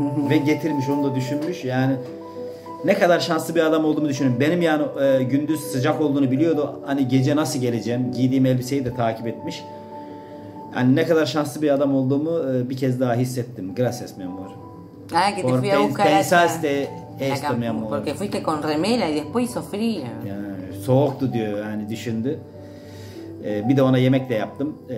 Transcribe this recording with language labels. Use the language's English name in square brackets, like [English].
[Turkish] Ve getirmiş, onu da düşünmüş. Yani ne kadar şanslı bir adam olduğumu düşünün. Benim yani gündüz sıcak olduğunu biliyordu. Hani gece nasıl geleceğim, giydiğim elbiseyi de takip etmiş. Yani ne kadar şanslı bir adam olduğumu bir kez daha hissettim. [Spanish] Gracias, mi amor. Ah, que te fui a buscar. Pensaste esto, mi amor. Porque fuiste con remera y después hizo frío. [Turkish] Yani, soğuktu diyor, yani düşündü. Bir de ona yemek de yaptım.